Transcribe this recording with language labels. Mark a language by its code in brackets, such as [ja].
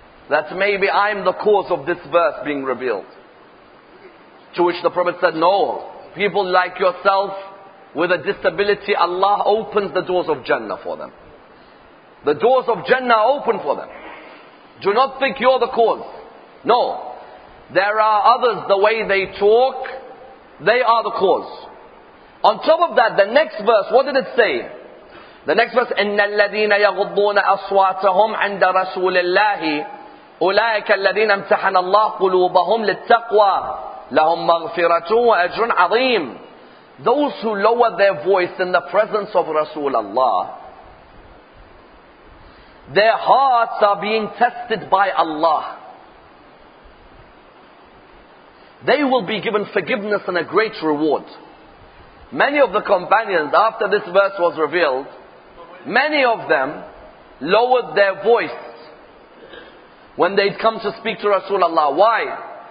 [en] That maybe I'm the cause of this verse being revealed. To which the Prophet said, no, people like yourself with a disability, Allah opens the doors of Jannah for them. The doors of Jannah open for them. Do not think you're the cause. No, there are others, the way they talk, they are the cause. On top of that, the next verse, what did it say? The next verse, [ar] إِنَّ الَّذِينَ يَغُضُّونَ أَصْوَاتَهُمْ عَنْدَ رَسُولِ اللَّهِ أُولَٰئِكَ الَّذِينَ امْتَحَنَ اللَّهُ قُلُوبَهُمْ لِلتَّقْوَى لَهُمْ مَغْفِرَةٌ وَأَجْرٌ عَظِيمٌ. [en] Those who lower their voice in the presence of Rasulullah, their hearts are being tested by Allah. They will be given forgiveness and a great reward. Many of the companions, after this verse was revealed, many of them lowered their voice when they'd come to speak to Rasulullah. Why?